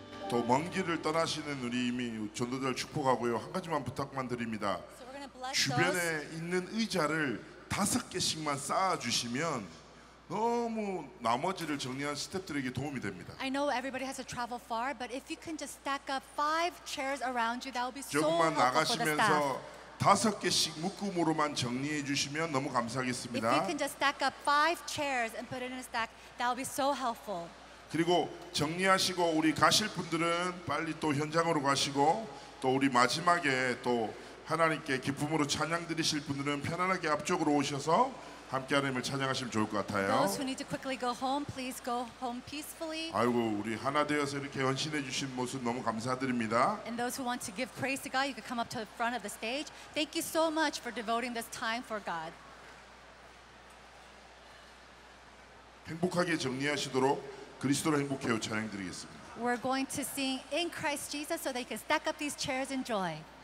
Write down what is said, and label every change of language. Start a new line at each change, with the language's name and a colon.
Korean: 또 먼 길을 떠나시는 우리 이미 전도자를 축복하고요. 한 가지만 부탁만 드립니다. 주변에 있는 의자를 다섯 개씩만 쌓아주시면 너무 나머지를 정리한 스태프들에게 도움이 됩니다.
English: I know everybody has to travel far, but if you can just stack up five chairs around you, that would be so helpful for the staff.
Korean: 조금만 나가시면서 다섯 개씩 묶음으로만 정리해 주시면 너무 감사하겠습니다.
English: If you can just stack up five chairs and put it in a stack, that would be so helpful.
Korean: 그리고 정리하시고 우리 가실 분들은 빨리 또 현장으로 가시고 또 우리 마지막에 또 하나님께 기쁨으로 찬양 드리실 분들은 편안하게 앞쪽으로 오셔서 함께 하나님을 찬양하시면 좋을 것 같아요.
English: Those who need to quickly go home, please go home peacefully.
Korean: 아이고 우리 하나 되어서 이렇게 헌신해 주신 모습 너무 감사드립니다.
English: And those who want to give praise to God, you could come up to the front of the stage. Thank you so much for devoting this time for God.
Korean: 행복하게 정리하시도록 그리스도로 행복해요 찬양 드리겠습니다.
English: We're going to sing in Christ Jesus so they can stack up these chairs in joy.